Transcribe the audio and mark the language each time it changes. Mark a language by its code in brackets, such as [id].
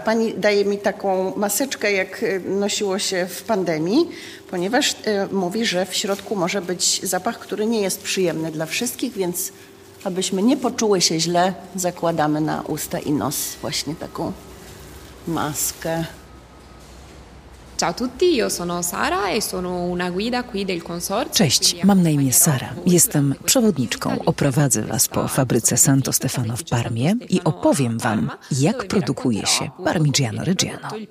[pl] Pani daje mi taką maseczkę, jak nosiło się w pandemii, ponieważ mówi, że w środku może być zapach, który nie jest przyjemny dla wszystkich, więc abyśmy nie poczuły się źle, zakładamy na usta i nos właśnie taką maskę. [it] Ciao tutti, io sono Sara e sono una guida qui del consorzio. [pl] Cześć, mam na imię Sara. Jestem przewodniczką. Oprowadzę was po fabryce Santo Stefano w Parmie i opowiem wam, jak produkuje się Parmigiano Reggiano.